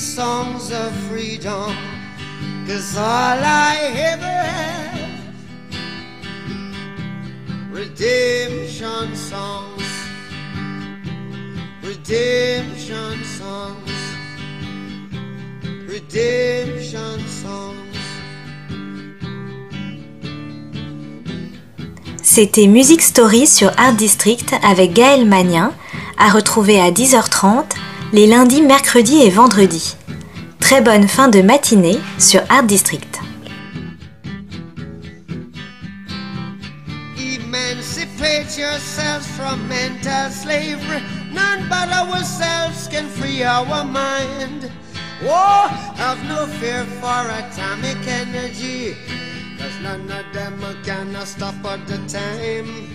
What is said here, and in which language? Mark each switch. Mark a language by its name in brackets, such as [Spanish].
[English] songs of freedom, 'cause all I ever have, redemption songs, redemption songs, redemption songs. [French] C'était Music Story sur Art District avec Gaël Magnin, à retrouver à 10h30 les lundis, mercredis et vendredis. Très bonne fin de matinée sur Art District. [English] Emancipate yourselves from mental slavery. None but ourselves can free our mind. Oh, have no fear for atomic energy, 'cause none of them can stop at the time.